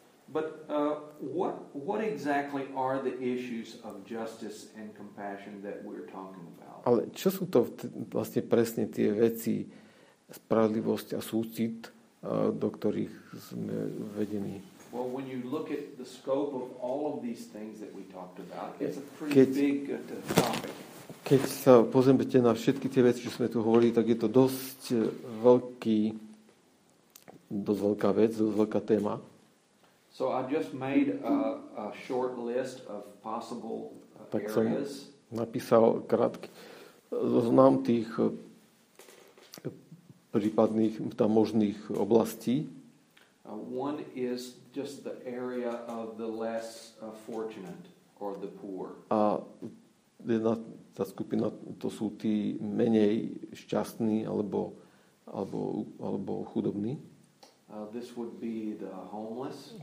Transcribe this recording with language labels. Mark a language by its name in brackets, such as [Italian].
[English] But what exactly are the issues of justice and compassion that we're talking about? [Slovak] Ale čo sú to vlastne presne tie veci spravodlivosť a súcit, do ktorých sme vedení? [English] Well, when you look at the scope of all of these things that we talked about, it's a pretty big topic. [Slovak] Keď sa pozrieme na všetky tie veci, čo sme tu hovorili, tak je to dosť veľká vec, dosť veľká téma. [English] So I just made a short list of possible areas. [Slovak] Tak som napísal krátky zoznam tých prípadných tam možných oblastí. [English] One is just the area of the less fortunate or the poor. [Slovak] A jedna tá skupina, to sú tí menej šťastní alebo chudobní. [English] This would be the homeless.